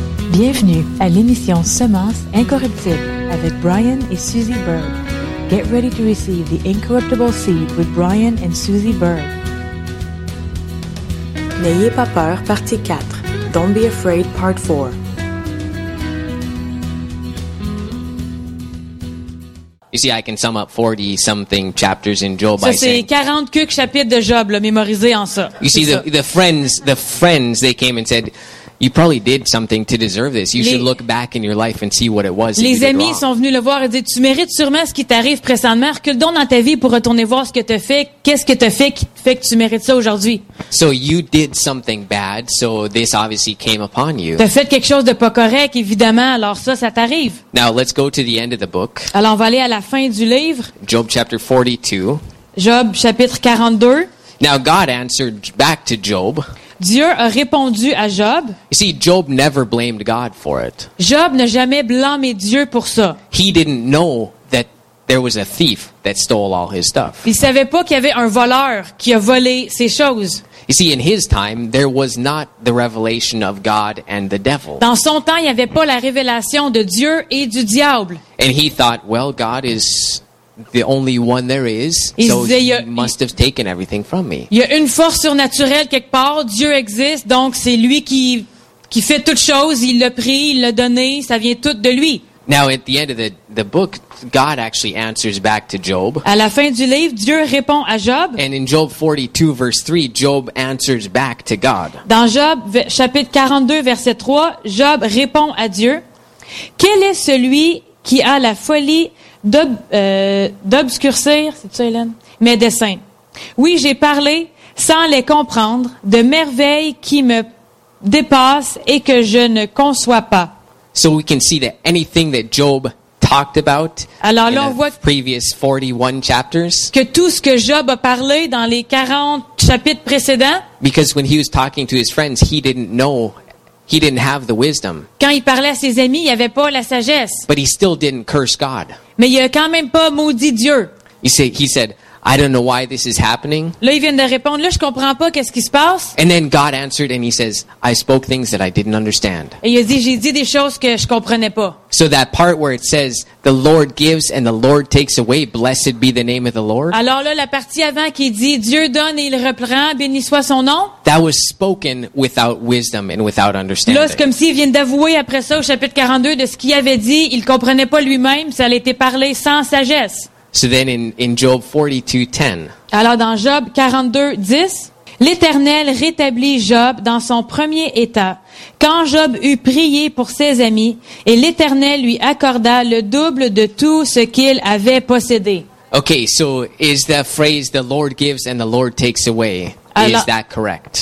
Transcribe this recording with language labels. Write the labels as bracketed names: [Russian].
[French] Bienvenue à l'émission Semences incorruptibles avec Brian et Susie Berg. [English] Get ready to receive the incorruptible seed with Brian and Susie Berg. [French] N'ayez pas peur, partie 4. [English] Don't be afraid, part 4. You see, I can sum up 40 something chapters in Job by saying. [French] Ça c'est 40 quelques chapitres de Job, là, mémorisé en ça. [English] You see, the friends, they came and said, you probably did something to deserve this. You should look back in your life and see what it was. [French] Les amis sont venus le voir et disent, tu mérites sûrement ce qui t'arrive présentement. Recule donc dans ta vie pour retourner voir ce que t'as fait. Qu'est-ce que t'as fait qui fait que tu mérites ça aujourd'hui? [English] So you did something bad, so this obviously came upon you. [French] T'as fait quelque chose de pas correct, évidemment. Alors ça t'arrive. [English] Now let's go to the end of the book. [French] Alors on va aller à la fin du livre. [English] Job chapter 42. [French] Job chapitre 42. [English] Now God answered back to Job. [French] Dieu a répondu à Job. [English] You see, Job never blamed God for it. [French] Job n'a jamais blâmé Dieu pour ça. [English] He didn't know that there was a thief that stole all his stuff. [French] Il savait pas qu'il y avait un voleur qui a volé ses choses. [English] You see, in his time, there was not the revelation of God and the devil. [French] Dans son temps, il n'y avait pas la révélation de Dieu et du diable. [English] And he thought, well, God is the only one there is, he must have taken everything from me. [French] Il y a une force surnaturelle quelque part. Dieu existe, donc c'est lui qui fait toutes choses. Il l'a pris, il l'a donné. Ça vient tout de lui. [English] Now at the end of the book, God actually answers back to Job. [French] À la fin du livre, Dieu répond à Job. [English] And in Job 42 verse 3, Job answers back to God. [French] Dans Job chapitre 42 verset 3, Job répond à Dieu. Quel est celui qui a la folie d'obscurcir, c'est ça, Hélène? Mes desseins. Oui, j'ai parlé sans les comprendre de merveilles qui me dépassent et que je ne conçois pas. [English] So we can see that anything that Job talked about [French] alors, [English] in the previous 41 chapters, [French] que tout ce que Job a parlé dans les 40 chapitres précédents, [English] because when he was talking to his friends, he didn't know. He didn't have the wisdom. [French] Quand il parlait à ses amis, il n'avait pas la sagesse. [English] But he still didn't curse God. [French] Mais il a quand même pas maudit Dieu. [English] He said, I don't know why this is happening. [French] Là, il vient de répondre, là, je comprends pas qu'est-ce qui se passe. [English] And then God answered and he says, I spoke things that I didn't understand. [French] Et il a dit, j'ai dit des choses que je comprenais pas. [English] So that part where it says, the Lord gives and the Lord takes away, blessed be the name of the Lord. [French] Alors là, la partie avant qui dit, Dieu donne et il reprend, béni soit son nom. [English] That was spoken without wisdom and without understanding. [French] Là, c'est comme s'il vient d'avouer après ça, au chapitre 42, de ce qu'il avait dit, il comprenait pas lui-même, ça a été parlé sans sagesse. [English] So then in Job 42:10. [French] Alors dans Job 42:10, l'Éternel rétablit Job dans son premier état. Quand Job eut prié pour ses amis, et l'Éternel lui accorda le double de tout ce qu'il avait possédé. [English] Okay, so is the phrase the Lord gives and the Lord takes away, is that correct?